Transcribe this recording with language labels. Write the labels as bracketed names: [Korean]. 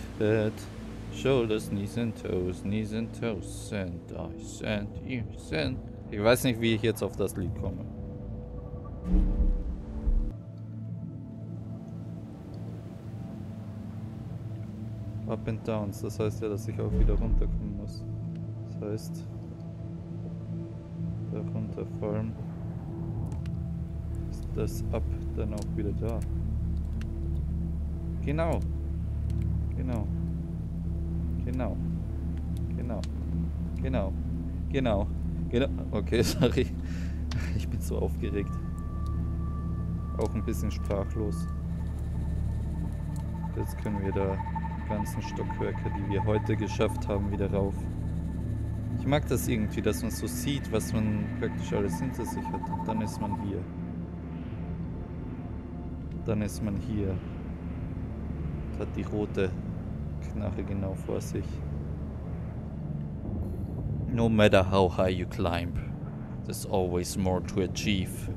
[English] Head, shoulders, knees and toes, and eyes and ears and... [German] Ich weiß nicht, wie ich jetzt auf das Lied komme. [English] Up and downs, [German] das heißt ja, dass ich auch wieder runterkommen muss. Das heißt, da runterfallen. Das Up dann auch wieder da. Genau. Genau. Genau. Genau. Genau. Genau. Genau. Okay, sorry. Ich bin so aufgeregt. Auch ein bisschen sprachlos. Jetzt können wir da die ganzen Stockwerke, die wir heute geschafft haben, wieder rauf. Ich mag das irgendwie, dass man so sieht, was man praktisch alles hinter sich hat. Und dann ist man hier. Dann ist man hier und hat die rote Knarre genau vor sich. [English] No matter how high you climb, there's always more to achieve.